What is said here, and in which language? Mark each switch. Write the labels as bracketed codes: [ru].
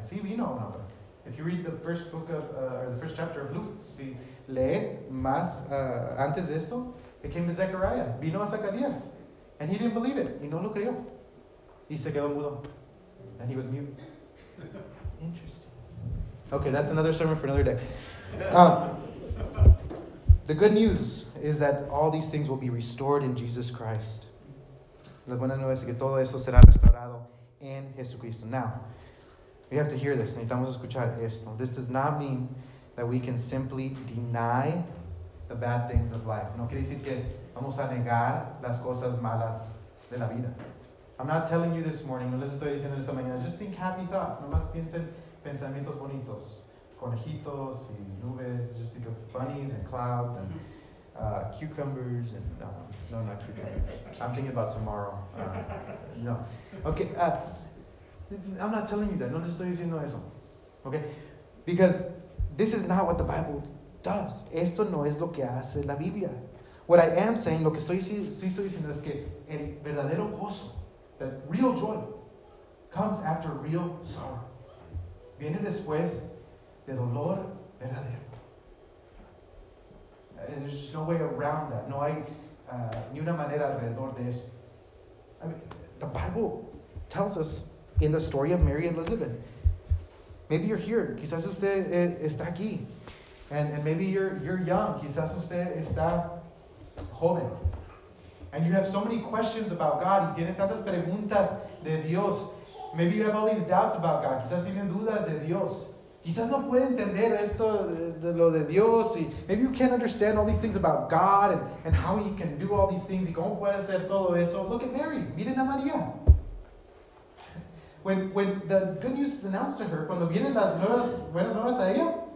[en] See, we know another. If you read the first book of, or the first chapter of Luke, see, [es] lee más antes de esto, [en] it came to Zechariah, [es] vino a Zacarías, [en] and he didn't believe it, [es] y no lo creyó, y se quedó mudo, [en] and he was mute. Interesting. Okay, that's another sermon for another day. The good news is that all these things will be restored in Jesus Christ. [es] La buena nueva es que todo eso será restaurado en Jesucristo. [en] Now, we have to hear this. [es] Necesitamos escuchar esto. [en] This does not mean that we can simply deny the bad things of life. [es] No quiere decir que vamos a negar las cosas malas de la vida. [en] I'm not telling you this morning, [es] no les estoy diciendo esta mañana, [en] just think happy thoughts. [es] No más piensen pensamientos bonitos. Conejitos y nubes. [en] Just think of bunnies and clouds and cucumbers and not cucumbers. I'm thinking about tomorrow. No. Okay. I'm not telling you that. [es] No les estoy diciendo eso. [en] Okay? Because this is not what the Bible does. [es] Esto no es lo que hace la Biblia. [en] What I am saying, [es] lo que estoy diciendo es que el verdadero gozo, [en] that real joy, [es] comes after real sorrow. Viene después de dolor verdadero. [en] And there's just no way around that. [es] No hay ni una manera alrededor de eso. [en] I mean, the Bible tells us in the story of Mary and Elizabeth. Maybe you're here. [es] Quizás usted está aquí. [en] And maybe you're young. [es] Quizás usted está joven. [en] And you have so many questions about God. [es] Y tiene tantas preguntas de Dios. [en] Maybe you have all these doubts about God. [es] Quizás tienen dudas de Dios. Quizás no puede entender esto de lo de Dios. [en] Y maybe you can't understand all these things about God and how he can do all these things. [es] Y cómo puede hacer todo eso. [en] Look at Mary. [es] Miren a María. [en] When the good news is announced to her, [es] cuando vienen las nuevas buenas nuevas a ella,